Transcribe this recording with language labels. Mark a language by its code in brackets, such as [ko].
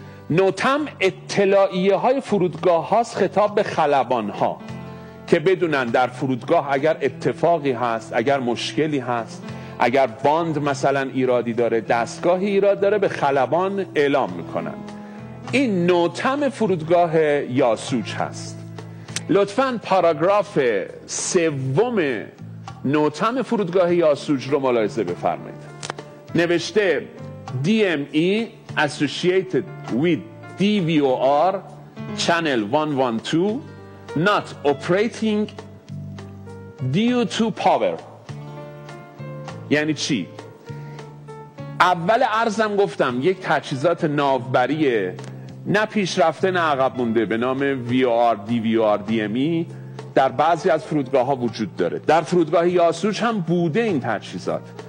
[fa] نوتم اطلاعیه های فرودگاه هاست خطاب به خلبان ها که بدونن در فرودگاه اگر اتفاقی هست، اگر مشکلی هست، اگر باند مثلا ایرادی داره، دستگاهی ایراد داره، به خلبان اعلام میکنن. این نوتم فرودگاه یاسوج هست. لطفاً پاراگراف سوم نوتم فرودگاه یاسوج رو ملاحظه بفرمایید. نوشته [en] DME associated with DVOR channel 112 not operating due to power. [fa] یعنی چی؟ اول عرضم گفتم یک تجهیزات ناوبری نه پیشرفته نه عقب مونده به نام VOR DVOR DME در بعضی از فرودگاه ها وجود داره. در فرودگاه یاسوج هم بوده این تجهیزات،